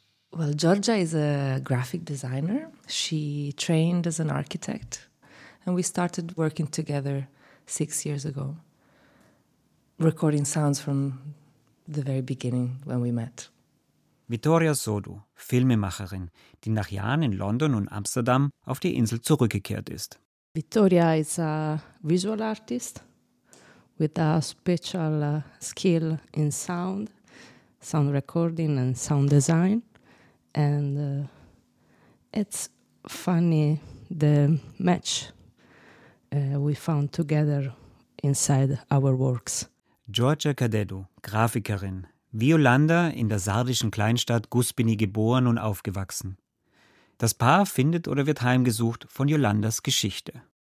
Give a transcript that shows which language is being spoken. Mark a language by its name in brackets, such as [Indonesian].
[English] Well, Georgia is a graphic designer. She trained as an architect, and we started working together 6 years ago, recording sounds from the very beginning when we met. [German] Vittoria Sodu, Filmemacherin, die nach Jahren in London und Amsterdam auf die Insel zurückgekehrt ist. [English] Vittoria is a visual artist with a special skill in sound, sound recording and sound design. And it's funny the match we found together inside our works. [German] Georgia Cadedu, Grafikerin. Wie Yolanda in der sardischen Kleinstadt Guspini geboren und aufgewachsen. Das Paar findet oder wird heimgesucht von Yolandas Geschichte.